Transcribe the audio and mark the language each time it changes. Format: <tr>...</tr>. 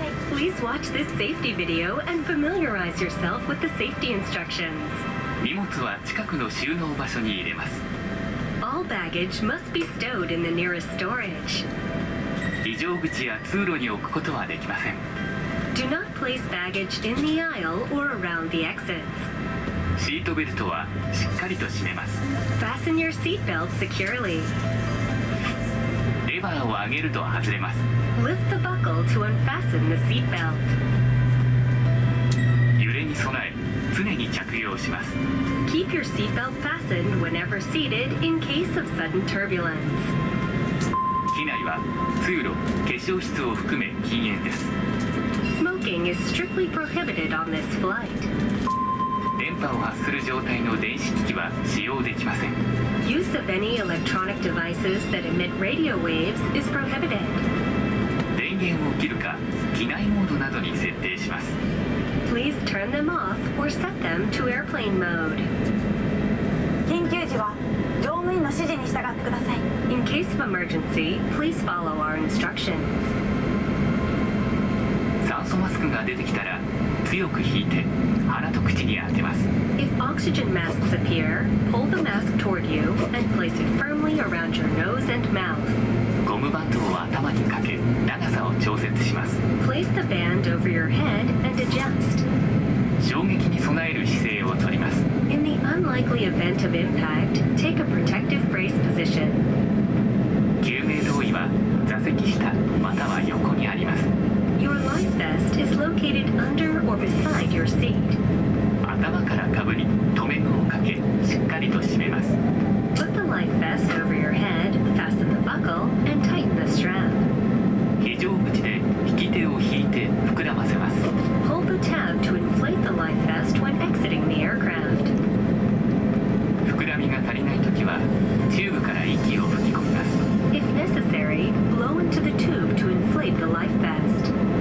<en>Please watch this safety video and familiarize yourself with the safety instructions.</en> <ja>荷物は近くの収納場所に入れます。</ja> <en>All baggage must be stowed in the nearest storage.</en> <ja>非常口や通路に置くことはできません。</ja> <en>Do not place baggage in the aisle or around the exits.</en> <ja>シートベルトはしっかりと締めます。</ja> <en>Fasten your seatbelt securely.</en> <ja>レバーを上げると外れます。</ja> <en>Lift the buckle to unfasten the seat belt.</en> <ja>揺れに備え、常に着用します。</ja> <en>Keep your seat belt fastened whenever seated in case of sudden turbulence.</en> <ja>機内は通路、化粧室を含め禁煙です。</ja> <en>Smoking is strictly prohibited on this flight.</en> <ja>電波を発する状態の電子機器は使用できません。</ja> <en>Use of any electronic devices that emit radio waves is prohibited.</en> <ja>電源を切るか、機内モードなどに設定します。</ja> <en>Please turn them off or set them to airplane mode.</en> <ja>緊急時は乗務員の指示に従ってください。</ja> <en>In case of emergency, please follow our instructions.</en> <ja>酸素マスクが出てきたら、強く引いて鼻と口に当てます。</ja> <en>If oxygen masks appear, pull the mask toward you and place it firmly around your nose and mouth.</en> <ja>ゴムバンドを頭にかけ、長さを調節します。</ja> <en>Place the band over your head and adjust.</en> <ja>衝撃に備える姿勢をとります。</ja> <en>In the unlikely event of impact, take a protective brace position.</en> <ja>救命胴衣は座席下または横にあります。</ja> <en>Your life vest is located under or beside your seat.</en> <ja>頭からかぶり、留め具をかけ、しっかりと締めます。</ja> <en>Put the life vest over your head, fasten the buckle, and tighten the strap.</en> <ja>非常口で引き手を引いて膨らませます。</ja> <en>Hold the tab to inflate the life vest when exiting the aircraft.</en> <ja>膨らみが足りないときは、チューブから息を吹き込みます。</ja> <en>If necessary, blow into the tube to inflate the life vest.</en>